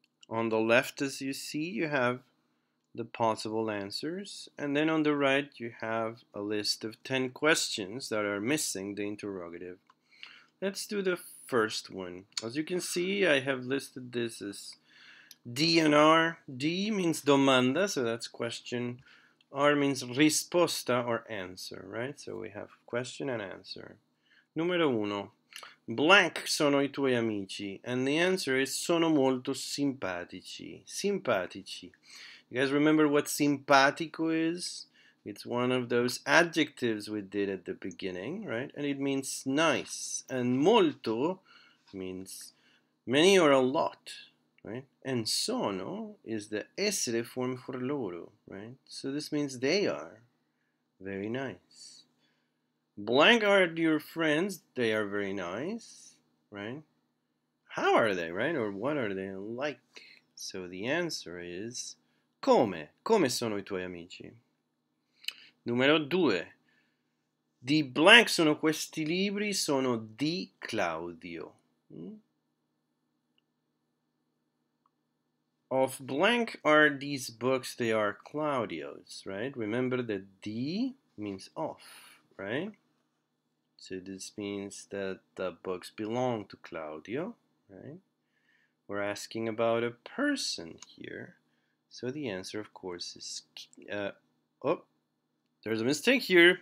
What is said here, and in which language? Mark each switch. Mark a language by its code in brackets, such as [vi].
[en] On the left, as you see, you have the possible answers, and then on the right you have a list of 10 questions that are missing the interrogative. Let's do the first one. As you can see, I have listed this as DNR. D means domanda, so that's question. R means risposta or answer, right? So we have question and answer. [it] Numero uno. Blank sono i tuoi amici, [en] and the answer is [it] sono molto simpatici. [en] Simpatici. You guys remember what simpatico is? It's one of those adjectives we did at the beginning, right? And it means nice. And molto means many or a lot, right? And sono is the essere form for loro, right? So this means they are very nice. Blank are your friends, they are very nice, right? How are they, right? Or what are they like? So the answer is [it] come sono i tuoi amici? Numero due. Di blank sono questi libri, sono di Claudio. [en] Of blank are these books, they are Claudio's, right? Remember that di means of, right? So this means that the books belong to Claudio, right? We're asking about a person here. So the answer, of course, is oh, there's a mistake here.